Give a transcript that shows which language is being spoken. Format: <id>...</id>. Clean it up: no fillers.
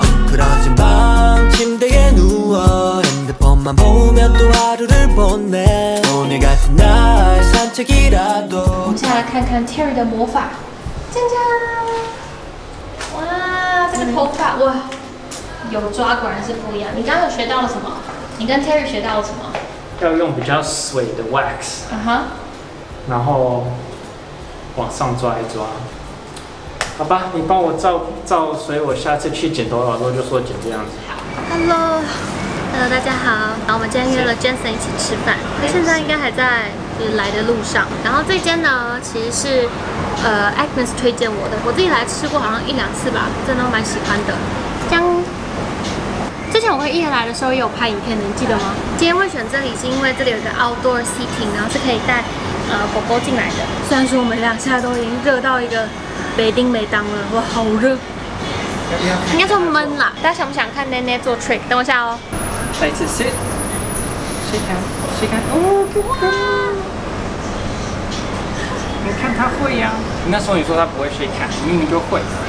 <ko>그러진밤침대에누워핸드폰만보면또하루를보내오늘같은날산책이라도</ko> <zh>我们先来看看 Terry 的魔法，짠짠！哇，这个头发哇，有抓果然是不一样。你刚刚有学到了什么？你跟 Terry 学到了什么？要用比较水的 wax， 然后往上抓一抓。好吧，你帮我照，所以我下次去剪头发的时候就说剪这样子。 Hello， 大家好。然后我们今天约了 Jensen 一起吃饭，他现在应该还在就是来的路上。然后这间呢，其实是Agnes 推荐我的，我自己来吃过好像一两次吧，真的蛮喜欢的。姜，之前我跟伊言来的时候也有拍影片，你记得吗？今天会选这里是因为这里有一个 outdoor seating， 然后是可以带狗狗进来的。虽然说我们俩现在都已经热到一个。没叮没当了，哇，好热，应该说闷啦。大家想不想看奶奶做 trick？等我一下哦。再一次 shake hand，哦，你看他会呀、啊。那时候你说他不会 shake hand， 明明就会。</zh>